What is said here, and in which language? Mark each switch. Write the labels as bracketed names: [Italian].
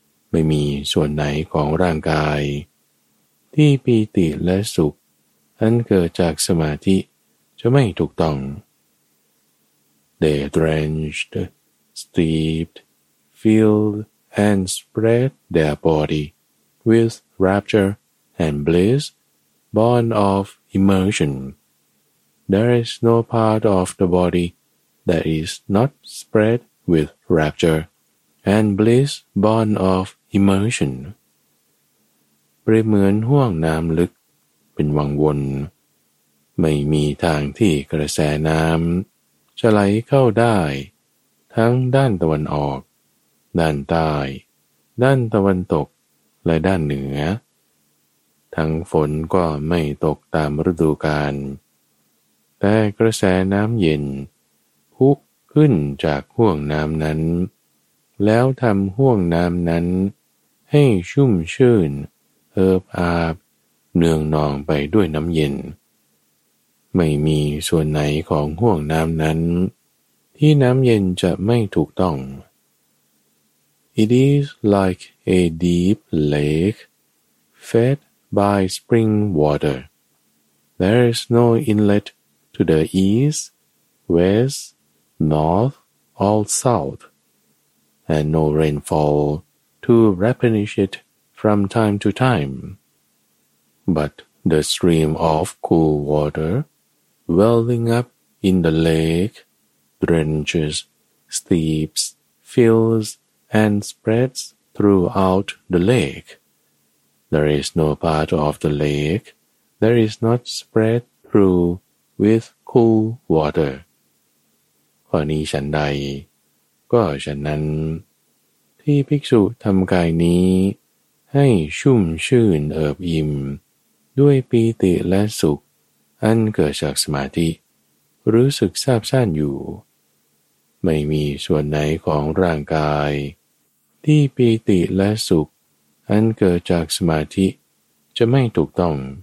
[Thai] ไม่มีส่วนไหนของร่างกายที่ปีติและสุขอันเกิดจากสมาธิจะไม่ถูกต้อง [English] They drenched, steepedfilled and spread their body with rapture and bliss born of immersion. There is no part of the body that is not spread with rapture and bliss born of immersion. [Thai] เปรียบเหมือนห้วงน้ำลึกเป็นวังวนไม่มีทางที่กระแสน้ำจะไหลเข้าได้ทั้งด้านตะวันออกด้านใต้ด้านตะวันตกและด้านเหนือ ทั้งฝนก็ไม่ตกตามฤดูกาลแต่กระแสน้ำเย็นพุ่งขึ้นจากห้วงน้ำนั้นแล้วทำห้วงน้ำนั้นให้ชุ่มชื่นเอิบอาบเนืองนองไปด้วยน้ำเย็น ไม่มีส่วนไหนของห้วงน้ำนั้นที่น้ำเย็นจะไม่ถูกต้อง [English] It is like a deep lake fed by spring water. There is no inlet to the east, west, north, or south, and no rainfall to replenish it from time to time. But the stream of cool water welling up in the lake drenches, steeps, fills,and spreads throughout the lake. There is no part of the lake that is not spread through with cool water. [Thai] ข้อนี้ฉันใดก็ฉันนั้นที่ภิกษุทำกายนี้ให้ชุ่มชื่นเอิบอิ่มด้วยปีติและสุขอันเกิดจากสมาธิรู้สึกซาบซ่านอยู่ไม่มีส่วนไหนของร่างกายที่ปีติและสุขอันเกิดจากสมาธิจะไม่ถูกต้อง